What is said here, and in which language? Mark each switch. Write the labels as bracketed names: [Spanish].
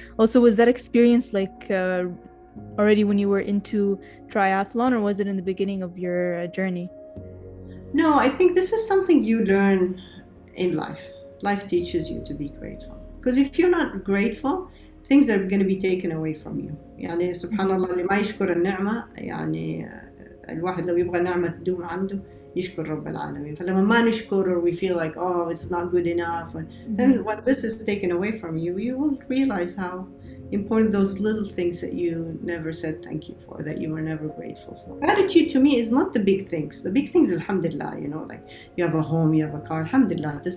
[English] Also, was that experience like already when you were into triathlon, or was it in the beginning of your journey? No, I think this is something you learn in life. Life teaches you to be grateful. Because if you're not grateful, things are going to be taken away from you. [Arabic] يعني سبحان الله اللي ما يشكر النعمة يعني الواحد لو يبغى نعمة تدوم عنده يشكر رب العالمين. فلما ما نشكر, [English] or we feel like, oh, it's not good enough, and then when this is taken away from you, you will realize how important those little things that you never said thank you for, that you were never grateful for. Gratitude to me is not the big things. The big things, alhamdulillah, you know, like you have a home, you have a car, alhamdulillah.